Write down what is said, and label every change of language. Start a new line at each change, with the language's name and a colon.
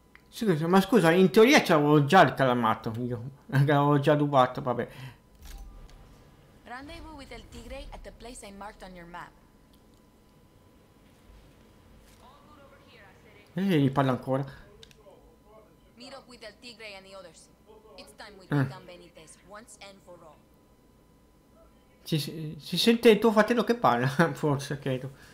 Italian: Scusa, ma scusa, in teoria ci avevo già il calamato, io l'avevo già rubato, vabbè.
English: Rendezvous with El Tigre at the place I marked on your map.
Italian: E gli parla ancora.
English: Meet up with El Tigre and the others. It's time we take down Benitez once and for all.
Italian: Si sente il tuo fratello che parla, forse, credo.